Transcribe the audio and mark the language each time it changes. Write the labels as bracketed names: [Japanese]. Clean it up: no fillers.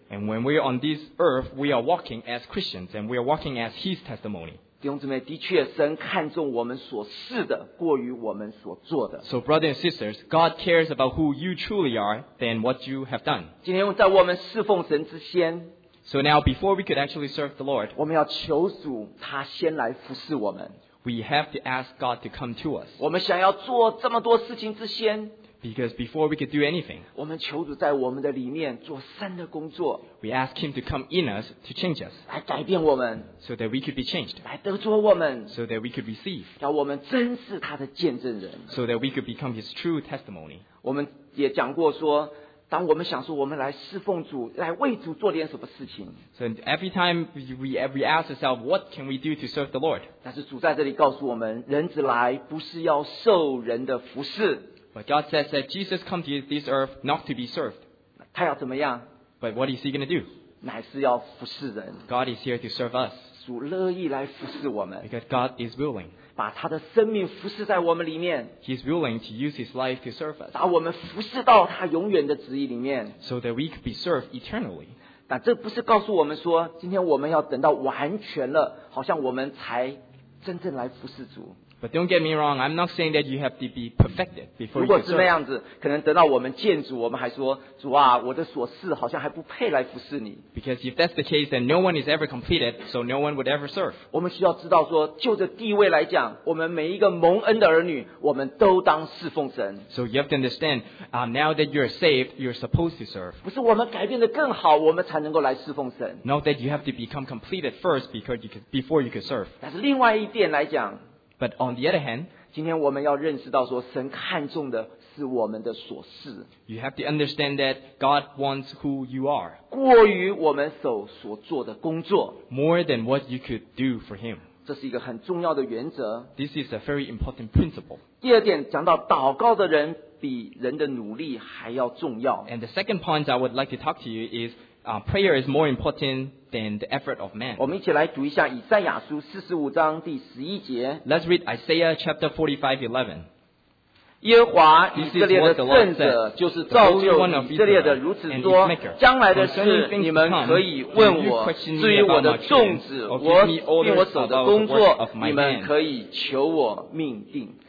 [English] And when we are on this earth, we are walking as Christians, and we are walking as his testimony. [Chinese] 弟兄姊妹，的确，神看重我们所是的过于我们所做的。 [English] So brothers and sisters, God cares about who you truly are than what you have done. [Chinese] 今天在我们侍奉神之先， [English] So now before we could actually serve the Lord, [Chinese] 我们要求主他先来服侍我们。 [English] We have to ask God to come to us. [Chinese] 我们想要做这么多事情之先， [English] Because before we could do anything, [Chinese] 我们求主在我们的里面做神的工作。 [English] We ask him to come in us to change us. [Chinese] 来改变我们。 [English] So that we could be changed. [Chinese] 来得着我们。 [English] So that we could receive. [Chinese] 要我们真是他的见证人。 [English] So that we could become his true testimony. [Chinese] 我们也讲过说，当我们想说我们来侍奉主，来为主做点什么事情。 [English] So every time we ask ourselves, what can we do to serve the Lord? [Chinese] 但是主在这里告诉我们，人子来不是要受人的服侍。 [English] But God says that Jesus come to this earth not to be served. [Chinese] 他要怎么样？ [English] But what is he going to do? [Chinese] 乃是要服侍人。 [English] God is here to serve us. [Chinese] 主乐意来服侍我们。 [English] Because God is willing. [Chinese] 把他的生命服侍在我们里面。 [English] He's willing to use his life to serve us. [Chinese] 把我们服侍到他永远的旨意里面。 [English] So that we could be served eternally. [Chinese] 但这不是告诉我们说，今天我们要等到完全了，好像我们才真正来服侍主。 [English] But don't get me wrong, I'm not saying that you have to be perfected before you serve. [Chinese] 如果是那样子，可能等到我们见主，我们还说，主啊，我的所事好像还不配来服侍你。 [English] Because if that's the case, then no one is ever completed, so no one would ever serve. [Chinese] 我们需要知道说，就着地位来讲，我们每一个蒙恩的儿女，我们都当侍奉神。 [English] So you have to understand, now that you're saved, you're supposed to serve. [Chinese] 不是我们改变得更好，我们才能够来侍奉神。 [English] Not that you have to become completed first before you can serve. [Chinese] 但是另外一点来讲， [English] But on the other hand, [Chinese] 今天我们要认识到说，神看重的是我们的所事。 [English] You have to understand that God wants who you are. [Chinese] 过于我们手所做的工作。 [English] More than what you could do for him. [Chinese] 这是一个很重要的原则。 [English] This is a very important principle. [Chinese] 第二点讲到祷告的人比人的努力还要重要。 [English] And the second point I would like to talk to you is, prayer is more important than the effort of man. [Chinese] 我们一起来读一下以赛亚书45章第11节。 [English] Let's read Isaiah chapter 45:11. [Chinese] 耶和华以色列的圣者就是造就以色列的，如此说，将来的事你们可以问我，至于我的种子，我并我手的工作，你们可以求我命定。